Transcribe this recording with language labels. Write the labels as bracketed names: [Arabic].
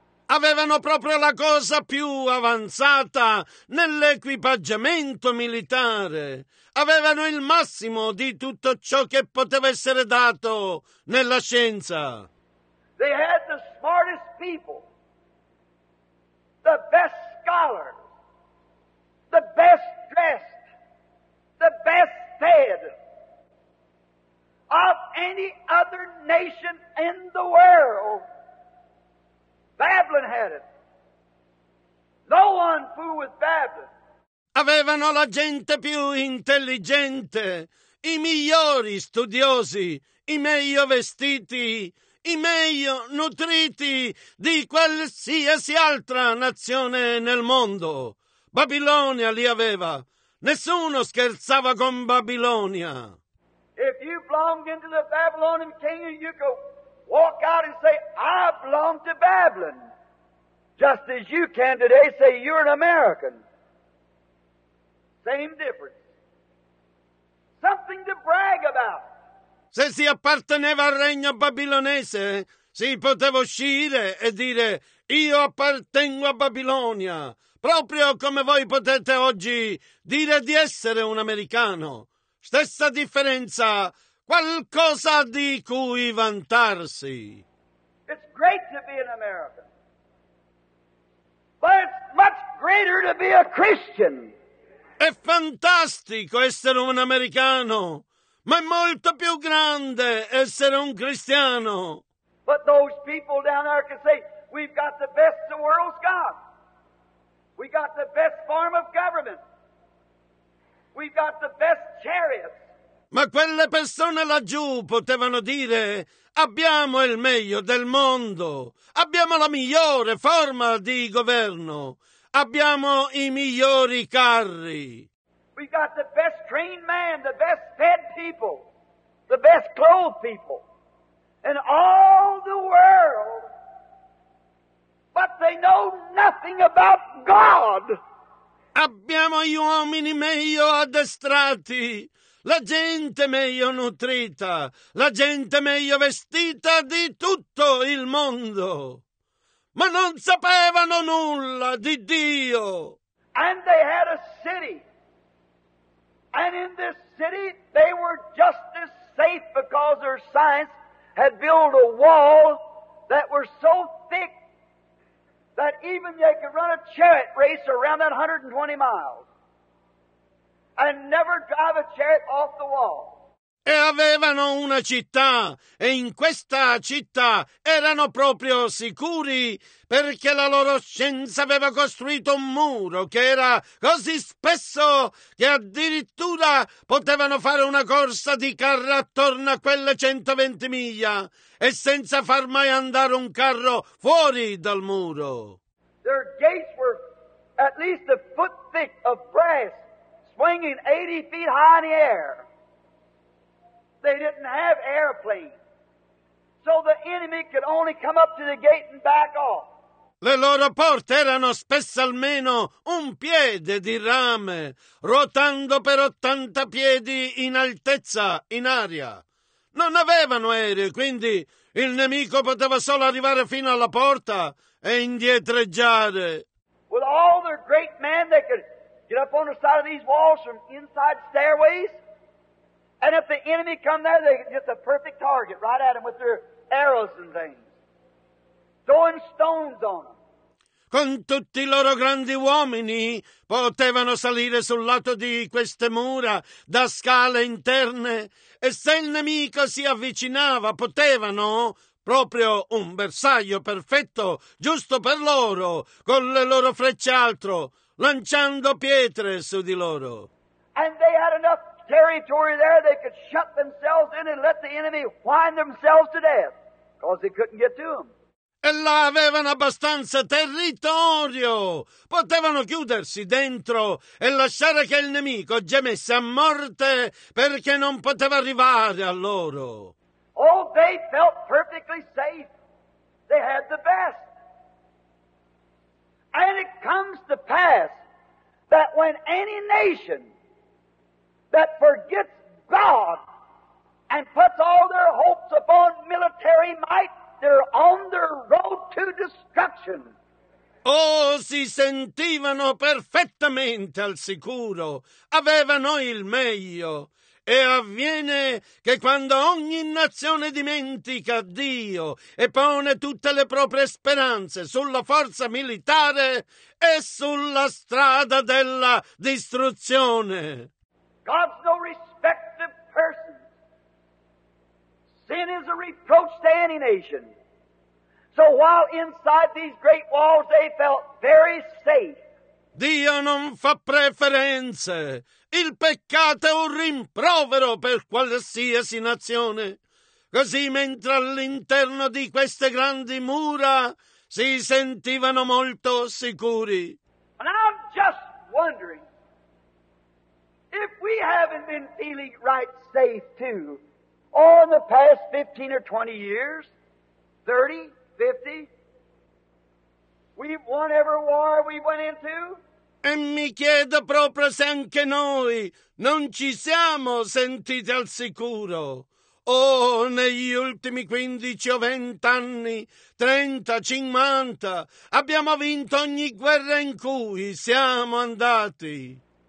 [Italian] Avevano proprio la cosa più avanzata nell'equipaggiamento militare. Avevano il massimo di tutto ciò che poteva essere dato nella scienza. [English] They had the smartest people, the best scholars, the best dressed, the best fed of any other nation in the world. Babylon had it. No one fooled with Babylon. [Italian] Avevano la gente più intelligente, i migliori studiosi, i meglio vestiti, i meglio nutriti di qualsiasi altra nazione nel mondo. Babilonia li aveva. Nessuno scherzava con Babilonia. [English] If you belonged into the Babylonian kingdom, you go walk out and say, I belong to Babylon. Just as you can today say, you're an American. Same difference. Something to brag about. [Italian] Se si apparteneva al regno babilonese, si poteva uscire e dire, io appartengo a Babilonia. Proprio come voi potete oggi dire di essere un americano. Stessa differenza. Qualcosa di cui vantarsi. [English] It's great to be an American. But it's much greater to be a Christian. [Italian] È fantastico essere un americano, ma è molto più grande essere un cristiano. [English] But those people down there can say, we've got the best the world's got. We've got the best form of government. We've got the best chariots. [Italian] Ma quelle persone laggiù potevano dire, abbiamo il meglio del mondo, abbiamo la migliore forma di governo, abbiamo i migliori carri. [English] We've got the best trained man, the best fed people, the best clothed people, in all the world, but they know nothing about God. [Italian] Abbiamo gli uomini meglio addestrati, la gente meglio nutrita, la gente meglio vestita di tutto il mondo. Ma non sapevano nulla di Dio. [English] And they had a city. And in this city they were just as safe because their science had built a wall that were so thick that even they could run a chariot race around that 120 miles. And never drive a chariot off the wall. [Italian] E avevano una città, e in questa città erano proprio sicuri perché la loro scienza aveva costruito un muro che era così spesso che addirittura potevano fare una corsa di carro attorno a quelle 120 miglia e senza far mai andare un carro fuori dal muro. [English] Their gates were at least a foot thick of brass. Swinging 80 feet high in the air. They didn't have airplanes. So the enemy could only come up to the gate and back off. [Italian] Le loro porte erano spesse almeno un piede di rame, ruotando per 80 piedi in altezza, in aria. Non avevano aerei, quindi il nemico poteva solo arrivare fino alla porta e indietreggiare. [English] With all their great men, they could get up on the side of these walls from inside stairways. And if the enemy come there, they can get the perfect target right at them with their arrows and things. Throwing stones on them. [Italian] con tutti i loro grandi uomini, potevano salire sul lato di queste mura da scale interne, e se il nemico si avvicinava, potevano, proprio un bersaglio perfetto, giusto per loro, con le loro frecce altro, lanciando pietre su di loro. [English] And they had enough territory there they could shut themselves in and let the enemy wind themselves to death, because they couldn't get to them. [Italian] E là avevano abbastanza territorio. Potevano chiudersi dentro e lasciare che il nemico gemesse a morte perché non poteva arrivare a loro. [English] Oh, they felt perfectly safe. They had the best. And it comes to pass that when any nation that forgets God and puts all their hopes upon military might, they're on the road to destruction. [Italian] Oh, si sentivano perfettamente al sicuro. Avevano il meglio. E avviene che quando ogni nazione dimentica Dio e pone tutte le proprie speranze sulla forza militare, è sulla strada della distruzione. [English] God's no respect of persons. Sin is a reproach to any nation. So while inside these great walls they felt very safe. [Italian] Dio non fa preferenze. Il peccato è un rimprovero per qualsiasi nazione. Così mentre all'interno di queste grandi mura si sentivano molto sicuri. [English] And I'm just wondering if we haven't been feeling right safe too all in the past 15 or 20 years, 30, 50, we've won every war we went into. [Italian] E mi chiedo proprio se anche noi non ci siamo sentiti al sicuro. Oh, negli ultimi 15 o 20 anni, 30, 50, abbiamo vinto ogni guerra in cui siamo andati.